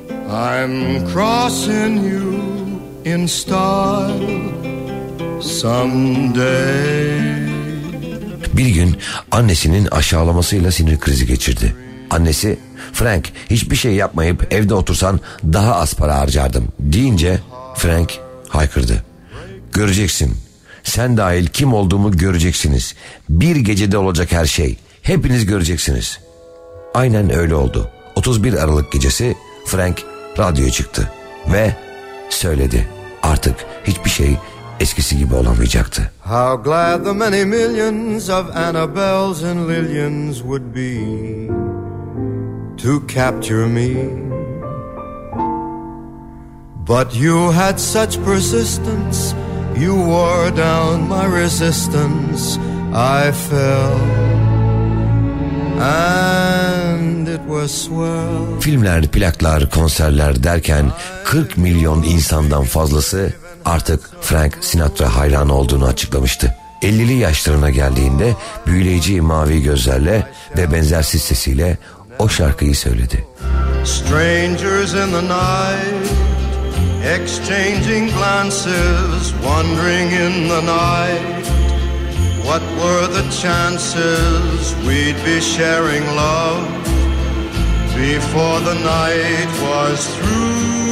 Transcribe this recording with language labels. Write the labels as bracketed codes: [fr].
[en] I'm crossing you in style someday. [tr] Bir gün annesinin aşağılamasıyla sinir krizi geçirdi. Annesi, Frank hiçbir şey yapmayıp evde otursan daha az para harcardım deyince Frank haykırdı. Göreceksin, sen dahil kim olduğumu göreceksiniz. Bir gecede olacak her şey, hepiniz göreceksiniz. Aynen öyle oldu. 31 Aralık gecesi Frank radyoya çıktı ve söyledi. Artık hiçbir şey eskisi gibi olamayacaktı. [en] How glad the many millions of Annabelles and Lillians would be to capture me. But you had such persistence, you wore down my resistance. I fell. And it was swell. [tr] Filmler, plaklar, konserler derken 40 milyon insandan fazlası artık Frank Sinatra hayranı olduğunu açıklamıştı. 50'li yaşlarına geldiğinde büyüleyici mavi gözlerle ve benzersiz sesiyle o şarkıyı söyledi. [en] Strangers in the night, exchanging glances, wandering in the night. What were the chances we'd be sharing love before the night was through?